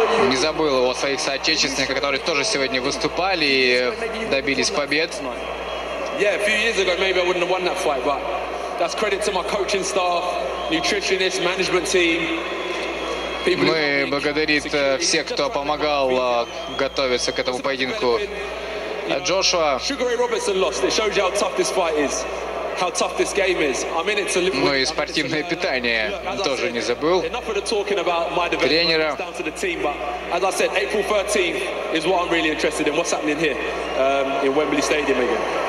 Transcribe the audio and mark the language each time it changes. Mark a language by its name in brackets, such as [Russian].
[Russian] Не забыл о своих соотечественниках, которые тоже сегодня выступали и добились побед. [English] Yeah, a few years ago maybe I wouldn't have won that fight, but that's credit to my coaching staff, nutritionist, management team. [Russian] Мы благодарим всех, кто помогал готовиться к этому поединку. Джошуа. [English] Sugar Ray Robertson lost. It shows you how tough this fight is, how tough this game is. I'm in it to live. [Russian] Ну и спортивное питание тоже не забыл. [English] Enough of the talking about my development. It's down to the team, but as I said, April 13th is what I'm really interested in. What's happening here in Wembley Stadium again?